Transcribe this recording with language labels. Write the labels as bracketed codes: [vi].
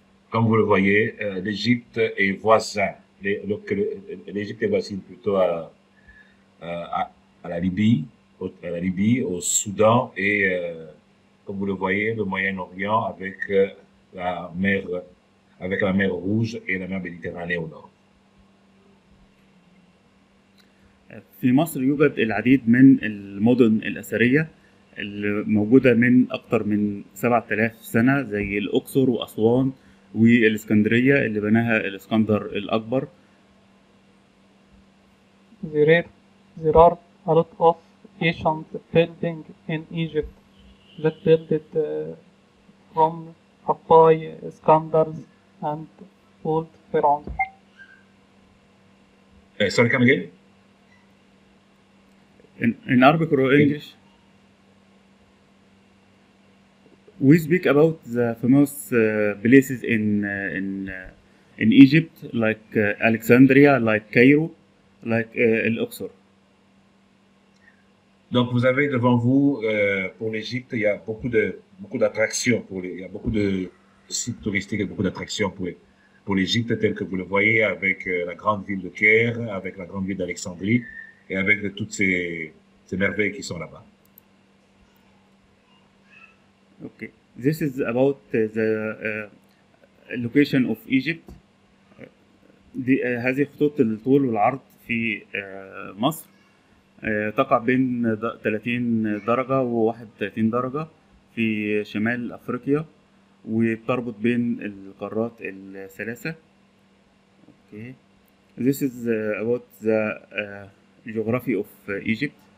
[fr] Comme vous le voyez, l'Égypte est voisin. L'Égypte est voisine plutôt à la Libye, au Soudan et, comme vous le voyez, le Moyen-Orient avec la mer Rouge et la mer Méditerranée au nord. [ar] في مصر يوجد العديد من المدن الأثرية، اللي موجودة من أكتر من 7000 سنة، زي الأقصر وأسوان والإسكندرية اللي بناها الإسكندر الأكبر. [en] There are a lot of ancient buildings in Egypt that built from Hapai, Iskandars, and old Pharaohs. Sorry, come again. In Arabic or English? We speak about the famous places in Egypt, like Alexandria, like Cairo, like Luxor. [fr] Donc vous avez devant vous pour l'Égypte, il y a beaucoup d'attractions pour les, il y a beaucoup de sites touristiques et beaucoup d'attractions pour l'Égypte telle que vous le voyez avec la grande ville de Caire, avec la grande ville d'Alexandrie et avec toutes ces merveilles qui sont là-bas. [en] Okay, this is about the location of Egypt. [ar] هذه خطوط الطول والعرض في مصر. تقع بين 30 درجة و31 درجة في شمال أفريقيا، وبتربط بين القارات الثلاثة. [en] Okay. This is about the geography of Egypt.